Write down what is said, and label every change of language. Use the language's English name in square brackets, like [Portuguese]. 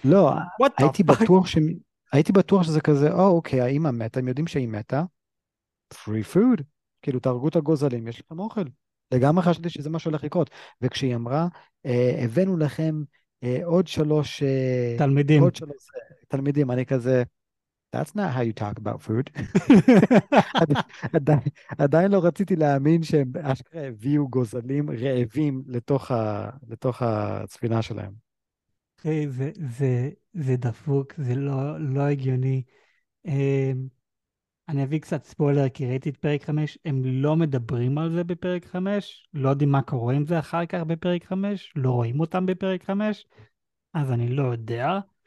[Hebrew] לא, [English] what the fuck? [Hebrew] הייתי בטוח שזה כזה, אוקיי, האמא מתה, הם יודעים שהיא מתה. [English] פרי פוד. [Hebrew] כאילו, תהרגו את הגוזלים, יש לכם אוכל. לגמרי חשבתי שזה מה שהולך לקרות. וכשהיא אמרה, הבאנו לכם עוד שלוש, תלמידים. עוד שלוש תלמידים, אני כזה, [English] that's not how you talk about food. [Hebrew] עדיין לא רציתי להאמין שהם אשכרה הביאו גוזלים רעבים לתוך הספינה שלהם. אחי, זה דפוק, זה לא הגיוני. אני אביא קצת ספוילר, כי ראיתי את פרק 5, הם לא מדברים על זה בפרק 5, לא יודעים מה קורה עם זה אחר כך בפרק 5, לא רואים אותם בפרק 5, אז אני לא יודע.